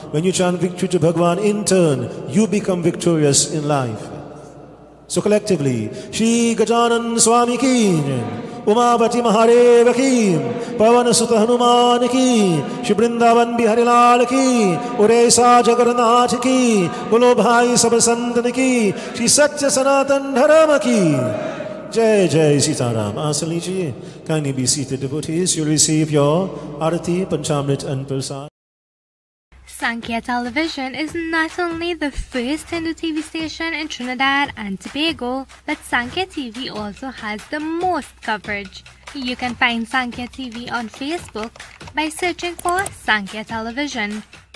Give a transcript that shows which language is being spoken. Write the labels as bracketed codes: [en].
[en] When you chant victory to Bhagwan, in turn, you become victorious in life. So collectively, [hi] Shri Gajanan Swami ki. Umapati Mahadev की पवन सुत हनुमान की श्री वृंदावन बिहारी लाल की उड़ेसा जगन्नाथ की बोलो भाई सब संतन की श्री सत्य सनातन धर्म की जय जय सीताराम आसन लीजिए [en] kindly be seated devotees you receive your arati panchamrit and prasad Sankhya Television is not only the first Hindu TV station in Trinidad and Tobago, but Sankhya TV also has the most coverage. You can find Sankhya TV on Facebook by searching for Sankhya Television.